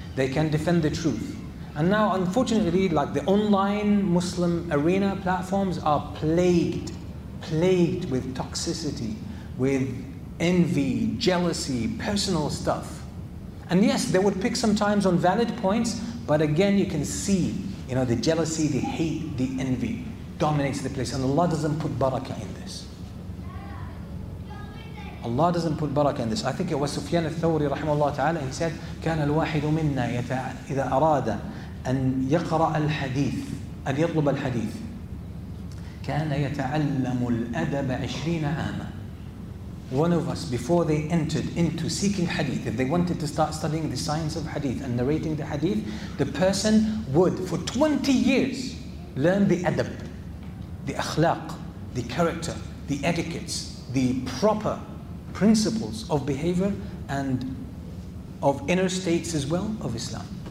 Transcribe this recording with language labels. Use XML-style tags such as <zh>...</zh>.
<en>They can defend the truth. And now, unfortunately, like the online Muslim arena platforms are plagued with toxicity, with envy, jealousy, personal stuff. And yes, they would pick sometimes on valid points, but again, you can see, you know, the jealousy, the hate, the envy dominates the place, and Allah doesn't put barakah in this. Allah doesn't put barakah in this. I think it was Sufyan al-Thawri rahimahullah ta'ala, he said,</en> <ar>كَانَ الْوَاحِدُ مِنَّا إِذَا أَرَادَ أَنْ يَقْرَأَ الْحَدِيثِ أَنْ يَطْلُبَ الْحَدِيثِ كَانَ يَتَعَلَّمُ الْأَدَبَ 20 عَامًا.</ar> <en>One of us, before they entered into seeking hadith, if they wanted to start studying the science of hadith and narrating the hadith, the person would, for 20 years, learn the adab, the akhlaq, the character, the etiquettes, the proper principles of behavior and of inner states as well of Islam.</en>